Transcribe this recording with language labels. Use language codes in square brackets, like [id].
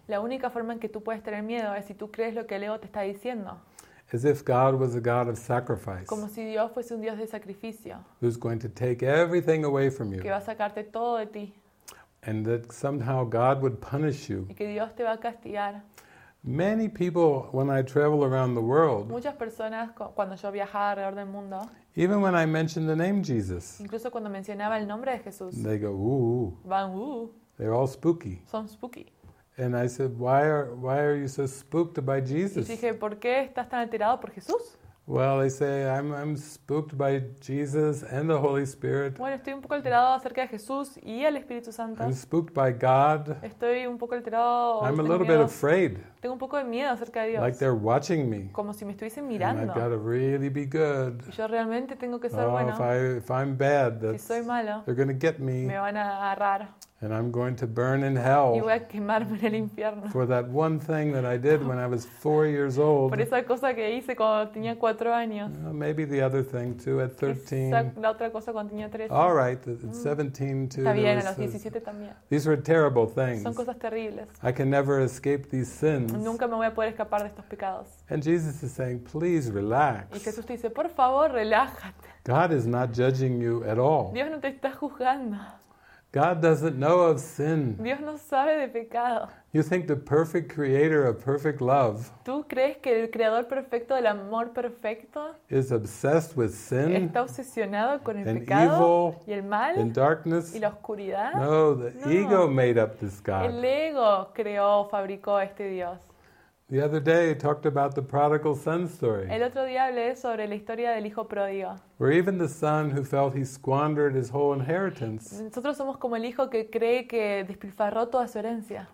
[es] La única forma en que tú puedes tener miedo es si tú crees lo que el ego te está diciendo. [en] As if God was a God of sacrifice. [es] Como si Dios fuese un Dios de sacrificio. [en] Who's going to take everything away from you. [es] Que va a sacarte todo de ti. [en] And that somehow God would punish you. [es] Y que Dios te va a castigar. [en] Many people, when I travel around the world, [es] muchas personas, cuando yo viajaba alrededor del mundo, [en] even when I mention the name Jesus, [es] incluso cuando mencionaba el nombre de Jesús, [en] they go, ooh. [es] Van, ooh. [en] They're all spooky. [es] Son spooky. [en] And I said, why are you so spooked by Jesus? [es] Y dije, ¿por qué estás tan alterado por Jesús? [en] Well, they say, I'm spooked by Jesus and the Holy Spirit. [es] Bueno, estoy un poco alterado acerca de Jesús y el Espíritu Santo. [en] I'm spooked by God. [es] Estoy un poco alterado. [en] I'm a little bit afraid. [es] Tengo un poco de miedo acerca de Dios. [en] Like they're watching me. [es] Como si me estuviesen mirando. [en] And I've got to really be good. [es] Yo realmente tengo que ser bueno. [en] If I'm bad, [es] si soy malo, [en] they're going to get me. [es] Me van a agarrar. [en] And I'm going to burn in hell. [es] Y voy a quemarme en el infierno. [en] For that one thing that I did when I was 4 years old. [es] Por esa cosa que hice cuando tenía 4 años. [en] Maybe the other thing too at 13. [es] La otra cosa cuando tenía 13. [en] All right, at 17 too. [es] Está bien, a los 17 también. [en] These were terrible things. [es] Son cosas terribles. [en] I can never escape these sins. [es] Nunca me voy a poder escapar de estos pecados. [en] And Jesus is saying, please relax. [es] Y Jesús te dice, por favor, relájate. [en] God is not judging you at all. [es] Dios no te está juzgando. [en] God doesn't know of sin. [es] Dios no sabe de pecado. [en] You think the perfect creator of perfect love. [es] ¿Tú crees que el creador perfecto del amor perfecto [en] is obsessed with sin? [es] Está obsesionado con el [en] and [es] pecado [en] evil, [es] y el mal [en] and darkness. [es] Y la oscuridad. [en] No, the [es] no. [en] Ego made up this God. [es] El ego creó, fabricó este Dios. [en] The other day I talked about the prodigal son story. [es] El otro día hablé sobre la historia del hijo pródigo. [en] Where even the son who felt he squandered his whole inheritance. [es] Nosotros somos como el hijo que cree que despilfarró toda su herencia.